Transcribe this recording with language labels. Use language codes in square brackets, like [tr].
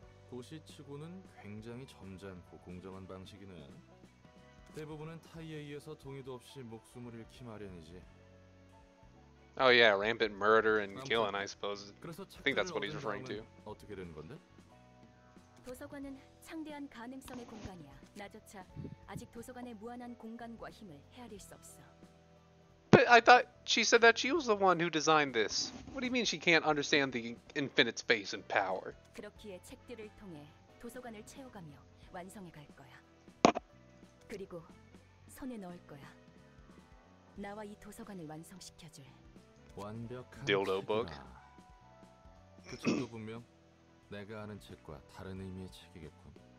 [ko] 도시치고는 굉장히 점잖고 공정한 방식이네. 대부분은 타이에 의해서 동의도 없이 목숨을 잃기 마련이지. [en] Oh yeah, rampant murder and killing, I suppose. I think that's what he's referring to. [ko] 어떻게 되는 건데? 도서관은 창대한 가능성의 공간이야. 나조차 아직 도서관의 무한한 공간과 힘을 헤아릴 수 없어. [en] But I thought she said that she was the one who designed this. What do you mean she can't understand the infinite space and power? [ko] 그렇기에 책들을 통해 도서관을 채워가며 완성해 갈 거야. 그리고 손에 넣을 거야. 나와 이 도서관을 완성시켜줄. 완벽한 [en] Dildo book. [ko] 그 책도 분명 내가 아는 책과 다른 의미의 책이겠군.